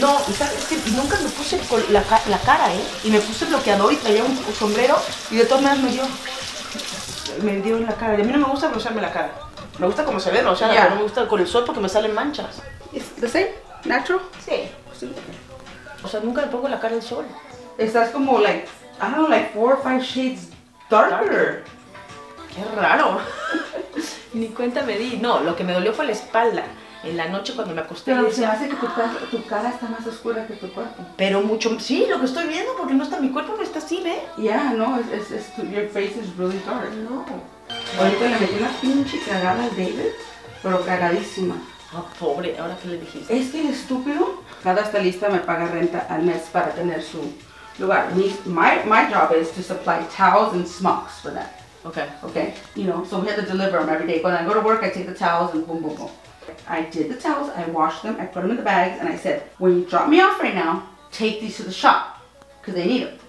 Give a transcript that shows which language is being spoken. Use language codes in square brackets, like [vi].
[es] No, es que nunca me puse la cara, ¿eh? Y me puse bloqueador y traía un sombrero y de todas maneras me dio en la cara. Y a mí no me gusta brochearme la cara. Me gusta cómo se ve, brochear, yeah. Pero no me gusta con el sol porque me salen manchas. ¿Es [en] the same? [es] ¿Natural? Sí. O sea, nunca le pongo la cara al sol. Estás como, [en] like, I don't know, like 4 or 5 shades darker. [es] Qué raro. Ni cuenta me di. No, lo que me dolió fue la espalda. En la noche cuando me acosté. Pero se hace que tu cara está más oscura que tu cuerpo. Pero mucho, sí, lo que estoy viendo, porque no está, mi cuerpo no está así, ¿ve? [en] Ya, yeah, no, es, your face is really dark. [es] No. Ahorita le metí una pinche cagada al David, pero cagadísima. Ah, oh, pobre, ¿ahora qué le dijiste? Es que el estúpido, cada estilista me paga renta al mes para tener su lugar. [en] My job is to supply towels and smocks for that. Okay. Okay, you know, so we have to deliver them every day. When I go to work, I take the towels and boom, boom, boom. I did the towels, I washed them, I put them in the bags, and I said, when you drop me off right now, take these to the shop, because they need them.